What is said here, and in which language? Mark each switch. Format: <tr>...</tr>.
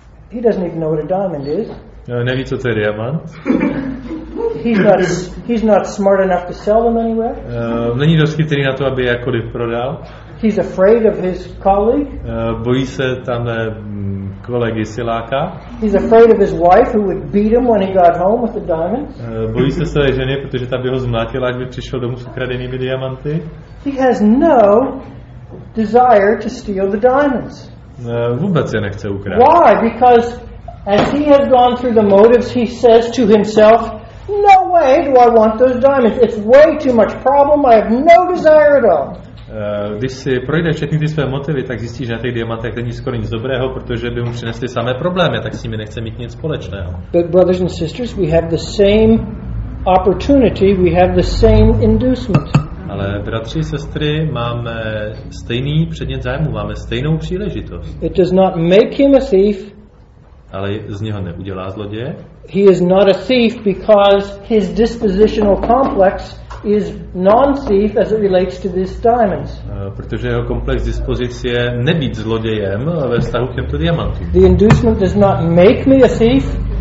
<en>He doesn't even know what a diamond is.</en> <cs>Neví, co to je diamant.</cs> <en>He's not smart enough to sell them anywhere.</en> <cs>Není dost chytrý na to, aby jakkoliv prodal.</cs> <en>He's afraid of his colleague.</en> <cs>Bojí se tam kolegy Siláka.</cs> <en>He's afraid of his wife who would beat him when he got home with the diamonds.</en> <cs>Bojí se své ženy, protože ta by ho zmlátila, kdyby přišel domů s ukradenými diamanty.</cs> <en>He has no desire to steal the diamonds.</en> <cs>Vůbec je nechce ukrát.</cs> <en>Why? Because as he has gone through the motives, he says to himself, no way do I want those diamonds. It's way too much problem. I have no desire at all.</en> <cs>Když si projde všechny ty své motivy, tak zjistí, že na těch diamantech není skoro nic dobrého, protože by mu přinesly samé problémy, tak s nimi nechce mít nic společného.</cs> <en>But brothers and sisters, we have the same opportunity, we have the same inducement.</en> <cs>Ale bratři, sestry, máme stejný předmět zájmu, máme stejnou příležitost.</cs> <en>It does not make him a thief.</en> <cs>Ale z něho neudělá zloděje.</cs> <en>He is not a thief because his dispositional complex is non-thief as it relates to these diamonds.</en> <cs>Protože jeho komplex dispozice nebýt zlodějem ve vztahu k těmto diamantům.</cs> <en>The inducement does not make me a thief.</en>